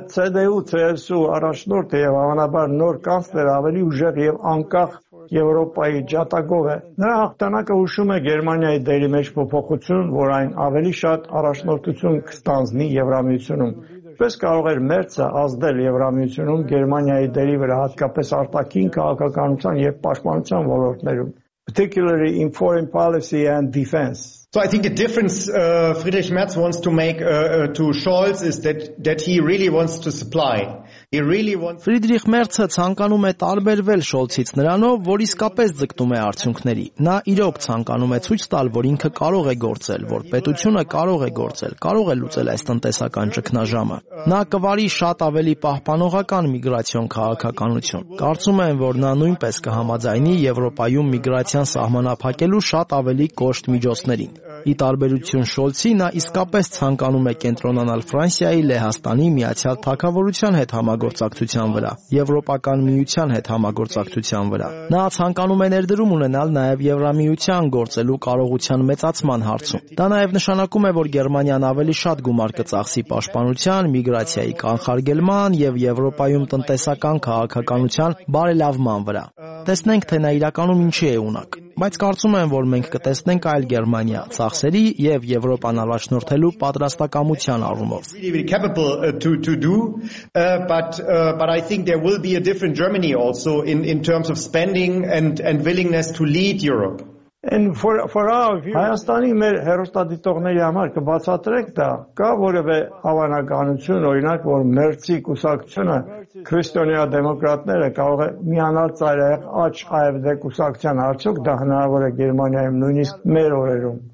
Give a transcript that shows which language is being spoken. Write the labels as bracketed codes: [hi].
[hy] CDU-CSU առաջնորդ եւ հավանաբար նոր կանցլեր, ավելի ուժեղ եւ անկախ Եվրոպայի ջատագով է։ Նրա հաղթանակը հուշում է Գերմանիայի դերի մեջ փոփոխություն, որ այն ավելի շատ առաջնորդություն կստանձնի Եվրամիությունում։ Ինչպես կարող էր Մերցը ազդել Եվրամիությունում Գերմանիայի դերի վրա, հատկապես արտաքին քաղաքականության եւ պաշտպանության ոլորտներում, [en] particularly in foreign policy and defense. So I think the difference Friedrich Merz wants to make to Scholz is that he really wants to supply. He really wants [hy] Friedrich Merz-ը ցանկանում է տարբերվել Շոլցից նրանով, որ իսկապես ձգտում է արդյունքների։ Նա իրոք ցանկանում է ցույց տալ, որ ինքը կարող է գործել, որ պետությունը կարող է գործել, կարող է լուծել այս տնտեսական ճգնաժամը։ Նա կվարի շատ ավելի պահպանողական միգրացիոն քաղաքականություն։ Կարծում եմ, որ նա նույնպես կհամաձայնի Եվրոպայում միգրացիան սահմանափակելու շատ ավելի կոշտ միջոցներին։ Ի տարբերություն Շոլցի, նա իսկապես ցանկանում է կենտրոնանալ Ֆրանսիայի, Լեհաստանի, Միացյալ Թագավորության հետ համագործակցության վրա, Եվրոպական Միության հետ համագործակցության վրա։ Նա ցանկանում է ներդրում ունենալ նաև Եվրամիության գործելու կարողության մեծացման հարցում։ Դա նաև նշանակում է, որ Գերմանիան ավելի շատ գումար կծախսի պաշտպանության, միգրացիայի կանխարգելման եւ Եվրոպայում տնտեսական քաղաքականության բարելավման վրա։ Տեսնենք, թե նա իրականում ինչի է ունակ։ Բայց կարծում եմ, որ մենք կտեսնենք այլ Գերմանիա ծախսերի եւ Եվրոպան առաջնորդելու պատրաստակամության առումով։ [en] But I think there will be a different Germany also in terms of spending and willingness to lead Europe. And for our view, [hy] Հայաստանի մեր հերոստատիտողների համար կբացատրեք դա, կա որևէ հավանականություն, օրինակ, որ Մերցի կուսակցությունը քրիստոնեա դեմոկրատները կարող է միանալ ծայրահեղ աջ AfD կուսակցության, արդյոք դա հնարավոր է Գերմանիայում նույնիսկ մեր օրերում?